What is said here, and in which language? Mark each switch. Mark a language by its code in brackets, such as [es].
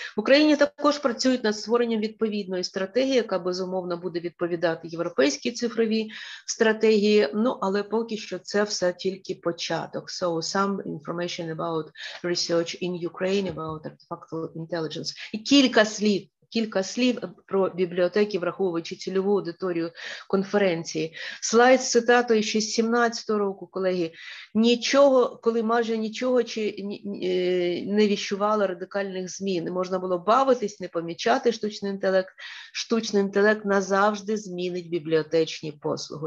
[uk] В Україні також працюють над створенням відповідної стратегії, яка безумовно буде відповідати європейській цифровій стратегії, ну, але поки що це все тільки початок. [en] So, some information about research in Ukraine, about artificial intelligence. [uk] І кілька слів про бібліотеки, враховуючи цільову аудиторію конференції. Слайд з цитатою ще з 17-го року, колеги. Нічого, коли майже нічого чи не відчувало радикальних змін. Можна було бавитись, не помічати штучний інтелект. Штучний інтелект назавжди змінить бібліотечні послуги.